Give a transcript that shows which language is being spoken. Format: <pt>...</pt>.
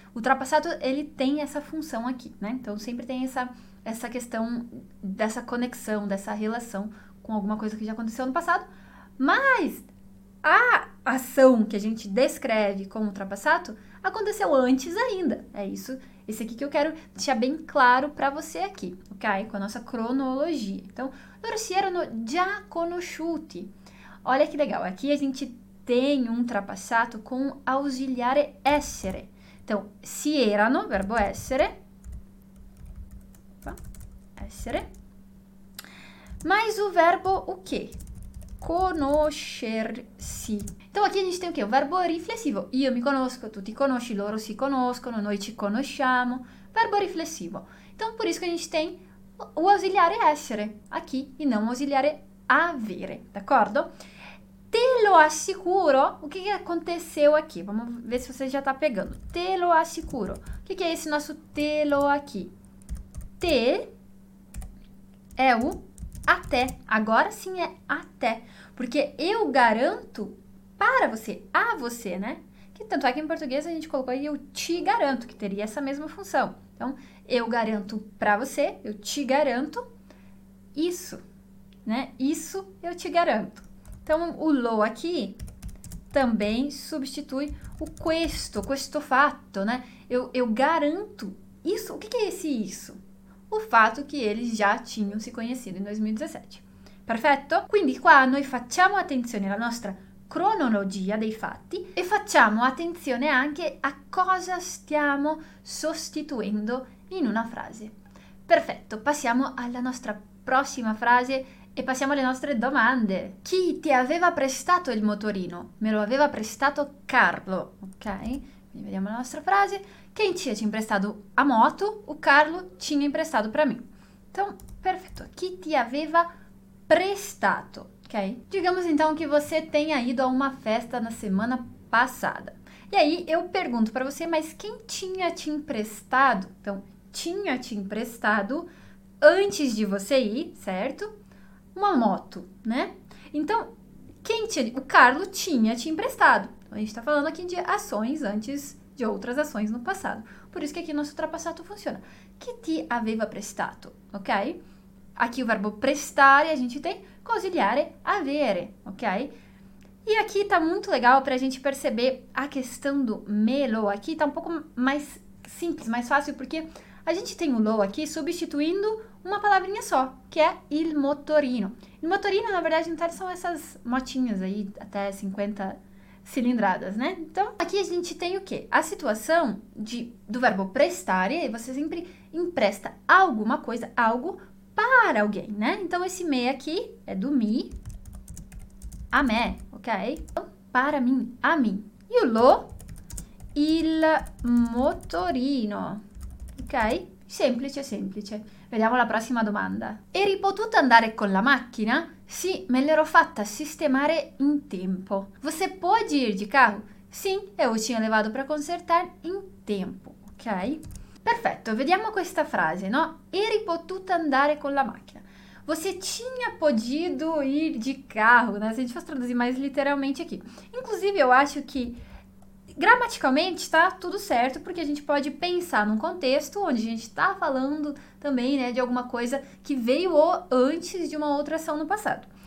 <pt>O ultrapassado, ele tem essa função aqui, né? Então, sempre tem essa questão dessa conexão, dessa relação com alguma coisa que já aconteceu no passado. Mas a ação que a gente descreve como ultrapassado aconteceu antes ainda. É isso. Esse aqui que eu quero deixar bem claro para você aqui, ok? Com a nossa cronologia.</pt> <it>Então, loro si erano già conosciuti.</it> <pt>Olha que legal, aqui a gente tem um ultrapassato com ausiliare essere. Então, si erano, verbo essere. Essere. Mais o verbo o quê?</pt> <it>Conoscersi.</it> <pt>Então aqui a gente tem o quê? O verbo riflessivo.</pt> <it>Io mi conosco, tu ti conosci, loro si conoscono, noi ci conosciamo. Verbo riflessivo.</it> <pt>Então por isso que a gente tem o ausiliare essere aqui e não o ausiliare avere, d'accordo?</pt> <it>Te lo assicuro.</it> <pt>O che aconteceu aqui? Vamos ver se você já tá pegando.</pt> <it>Te lo assicuro.</it> <pt>O que é esse nosso te lo aqui? Te é o até. Agora sim é até. Porque eu garanto para você, a você, né? Que tanto é que em português a gente colocou aí eu te garanto, que teria essa mesma função. Então, eu garanto para você, eu te garanto isso, né? Isso eu te garanto. Então, o lo aqui também substitui o questo, questo fatto, né? Eu garanto isso. O que que é esse isso? O fato que eles já tinham se conhecido em 2017.</pt> <it>Perfetto? Quindi qua noi facciamo attenzione alla nostra cronologia dei fatti e facciamo attenzione anche a cosa stiamo sostituendo in una frase. Perfetto, passiamo alla nostra prossima frase e passiamo alle nostre domande. Chi ti aveva prestato il motorino? Me lo aveva prestato Carlo, ok? Quindi vediamo la nostra frase.</it> <pt>Quem tinha te emprestado a moto? O Carlo tinha emprestado para mim. Então, perfetto.</pt> <it>Chi ti aveva prestato, ok?</it> <pt>Digamos então que você tenha ido a uma festa na semana passada. E aí eu pergunto para você, mas quem tinha te emprestado? Então, tinha te emprestado antes de você ir, certo? Uma moto, né? Então, quem tinha? O Carlo tinha te emprestado. Então, a gente está falando aqui de ações antes de outras ações no passado. Por isso que aqui nosso ultrapassato funciona.</pt> <it>Que ti aveva prestato, ok?</it> <pt>Aqui o verbo prestare, a gente tem consigliare, avere, ok? E aqui tá muito legal para a gente perceber a questão do me lo. Aqui tá um pouco mais simples, mais fácil, porque A gente tem o low aqui substituindo uma palavrinha só, que é il motorino. Il motorino, na verdade, não são essas motinhas aí, até 50 cilindradas, né? Então, aqui a gente tem o quê? A situação do verbo prestare, você sempre empresta alguma coisa, algo para alguém, né? Então, esse me aqui é do mi a me, ok? Então, para mim, a mim. E o lo, il motorino. Ok?</pt> <it>Semplice, semplice. Vediamo la prossima domanda. Eri potuta andare con la macchina? Sì, me l'ero fatta sistemare in tempo.</it> <pt>Você pode ir de carro? Sim, eu tinha levado para consertar</pt> <it>in tempo. Ok? Perfetto, vediamo questa frase, no? Eri potuta andare con la macchina.</it> <pt>Você tinha podido ir de carro, né? Se a gente fosse traduzir mais literalmente aqui. Inclusive, eu acho que gramaticalmente está tudo certo, porque a gente pode pensar num contexto onde a gente está falando também, né, de alguma coisa que veio antes de uma outra ação no passado.</pt>